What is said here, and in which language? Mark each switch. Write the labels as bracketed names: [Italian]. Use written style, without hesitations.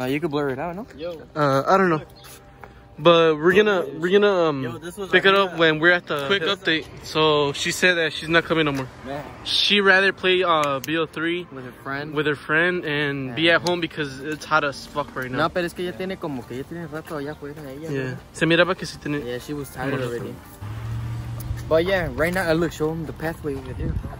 [English] No, you could blur it out, no? I don't know. But we're gonna pick it up when we're at the quick update. So she said that she's not coming no more. She rather play BO3 with her friend and be at home because it's hot as fuck right now. [Spanish] No, pero es que ella tiene como que ella tiene rato allá afuera ella. Yeah. Se miraba que sí tiene. [English] Yeah, she was tired already. But yeah, right now look, show them the pathway over there.